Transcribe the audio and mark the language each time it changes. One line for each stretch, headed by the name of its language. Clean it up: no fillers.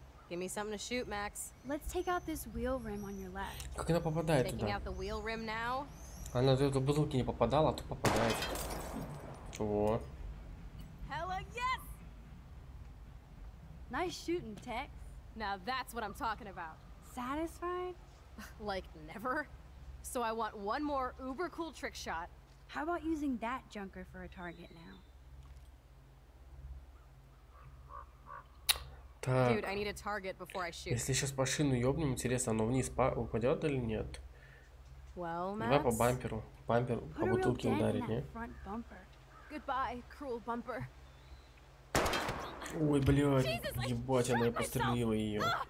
English: Give me something to shoot, Max. Let's take out this wheel rim on your left.
Russian: Как она попадает туда?
English: Taking out the wheel rim now.
Russian: Она в эту бутылку не попадала, а тут попадает. О.
English: Nice shooting, Tex. Now that's what I'm talking about. Satisfied? Like never. So I want one more uber cool trick shot. How about using that junker for a target now?
Russian: Так.
English: Dude, I need a target before I shoot.
Russian: Если сейчас по шину ёбнем, интересно, оно вниз упадёт или нет?
English: Well, Max.
Russian: Давай по бамперу. Бампер по бутылке ударить, не?
English: Goodbye, cruel bumper.
Russian: Ой, блядь, ебать, она пострелила ее.